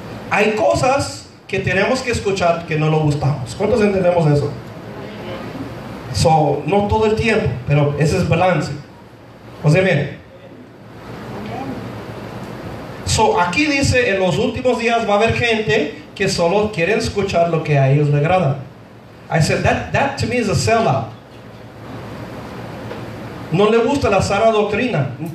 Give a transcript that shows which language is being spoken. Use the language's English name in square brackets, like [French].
[Spanish] Hay cosas que tenemos que escuchar que no lo gustamos. ¿Cuántos entendemos eso? So, no todo el tiempo, pero ese es balance. José, mire. So, aquí dice, en los últimos días va a haber gente que solo quiere escuchar lo que a ellos le agrada. [English] I said, that to me is a sellout. [Spanish] No le gusta la sana doctrina.